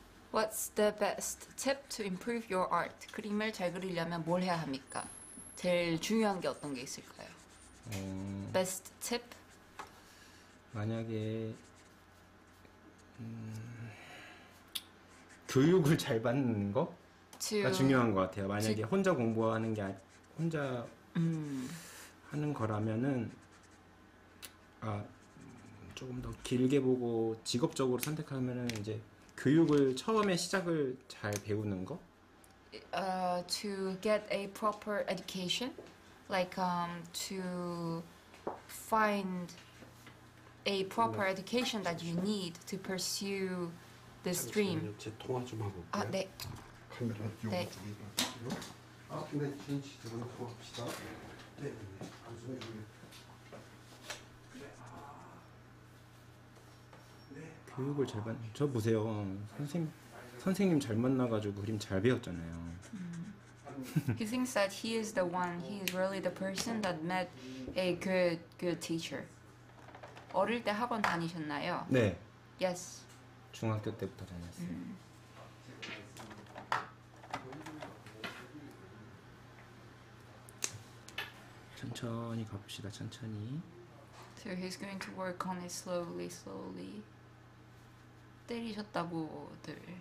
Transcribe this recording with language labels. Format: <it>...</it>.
<en>What's the best tip to improve your art?</en> <ko>그림을 잘 그리려면 뭘 해야 합니까? 제일 중요한 게 어떤 게 있을까요?</ko> <en>Best tip?</en> <ko>만약에 교육을 잘 받는 거가 중요한 것 같아요. 만약에 혼자 공부하는 게 혼자 하는 거라면은 아 조금 더 길게 보고 직업적으로 선택하면은 이제 교육을 처음에 시작을 잘 배우는 거.</ko> <en>To get a proper education, like to find a proper education that you need to pursue this dream.</en> <ko>제 통화 좀 하고 볼게요. 아, 네. 카메라 이용 좀 해 주시고요. 아, 네. 진짜 좀 통화합시다. 네. 교육을 잘 받는 저 보세요. 선생님 잘 만나 가지고 그림 잘 배웠잖아요.</ko> <en>He thinks that he is the one. He is really the person that met a good teacher.</en> <ko>어릴 때 학원 다니셨나요? 네.</ko> <en>Yes.</en> <ko>중학교 때부터 다녔어요. 천천히 가봅시다. 천천히.</ko> <en>So he's going to work on it slowly, slowly.</en> <ko>때리셨다고들.</ko>